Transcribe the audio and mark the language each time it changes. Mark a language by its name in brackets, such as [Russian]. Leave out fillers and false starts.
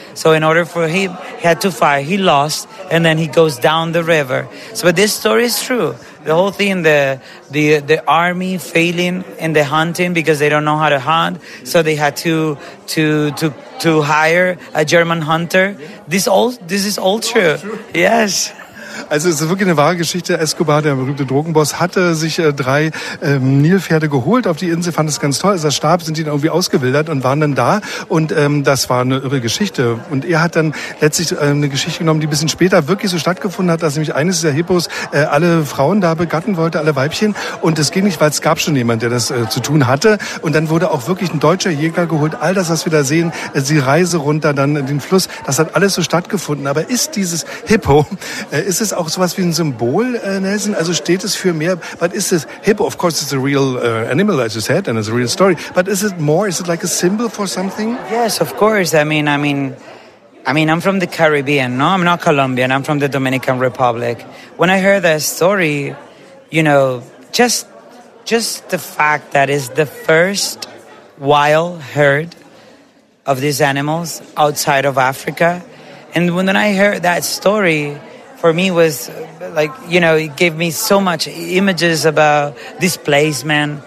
[English] So in order for him, he had to fight, he lost, and then he goes down the river. So, but this story is true. The whole thing, the army failing in the hunting because they don't know how to hunt, so they had to hire a German hunter. This is all true. Yes. [German] Also es ist wirklich eine wahre Geschichte. Escobar, der berühmte Drogenboss, hatte sich drei Nilpferde geholt auf die Insel, fand es ganz toll. Als er starb, sind die dann irgendwie ausgewildert und waren dann da. Und das war eine irre Geschichte. Und er hat dann letztlich eine Geschichte genommen, die ein bisschen später wirklich so stattgefunden hat, dass nämlich eines dieser Hippos alle Frauen da begatten wollte, alle Weibchen. Und das ging nicht, weil es gab schon jemand, der das zu tun hatte. Und dann wurde auch wirklich ein deutscher Jäger geholt. All das, was wir da sehen, die Reise runter, dann den Fluss, das hat alles so stattgefunden. Aber ist dieses Hippo, ist es auch sowas wie ein Symbol, Nelson? Also steht es für mehr? [English] But is this hippo? Of course, it's a real animal, as you said, and it's a real story. But is it more? Is it like a symbol for something? Yes, of course. I mean, I'm from the Caribbean. No, I'm not Colombian. I'm from the Dominican Republic. When I heard that story, you know, just the fact that it's the first wild herd of these animals outside of Africa, and when I heard that story, for me was like, you know, it gave me so much images about displacement.